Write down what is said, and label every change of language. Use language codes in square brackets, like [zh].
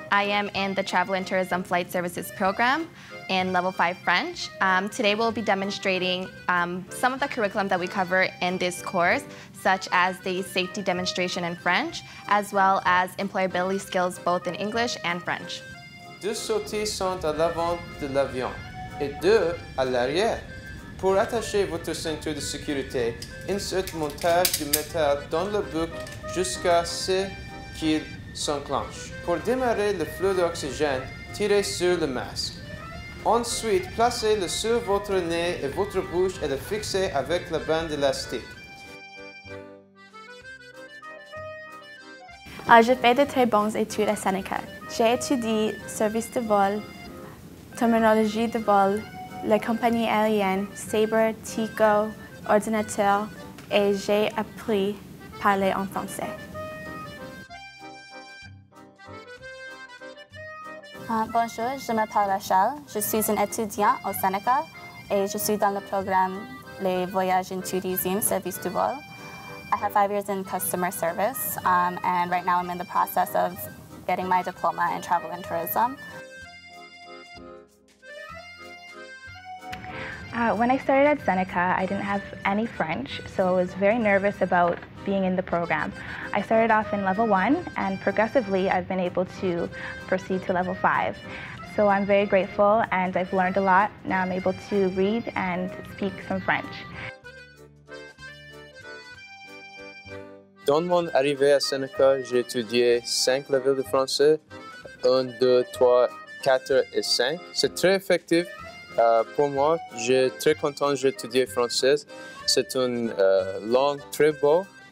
[en] I am in the Travel and Tourism Flight Services program in Level 5 French. Today we'll be demonstrating some of the curriculum that we cover in this course, such as the safety demonstration in French, as well as employability skills both in English and French. [fr] Deux sorties sont à l'avant de l'avion et deux à l'arrière. Pour attacher votre ceinture de sécurité, insérez le montage du métal dans le bouc jusqu'à ce qu'il s'enclenche. Pour démarrer le flux d'oxygène, tirez sur le masque. Ensuite, placez-le sur votre nez et votre bouche et le fixez avec la bande élastique. Je fais de très bonnes études à Seneca. J'ai étudié service de vol, terminologie de vol, la compagnie aérienne, Sabre, Tico, ordinateur, et j'ai appris à parler en français. Bonjour, je m'appelle Rachel. Je suis une étudiante au Seneca et je suis dans le programme Les Voyages en Tourisme, Service du Vol. [en] I have 5 years in customer service and right now I'm in the process of getting my diploma in travel and tourism. When I started at Seneca, I didn't have any French, so I was very nervous about being in the program. I started off in level one, and progressively I've been able to proceed to level five. So I'm very grateful, and I've learned a lot. Now I'm able to read and speak some French. [fr] Dans mon arrivée à Seneca, j'ai étudié 5 levels de français, 1, 2, 3, 4 et 5. C'est très effectif. Pour moi, je suis très content d'étudier français. C'est une langue très beau.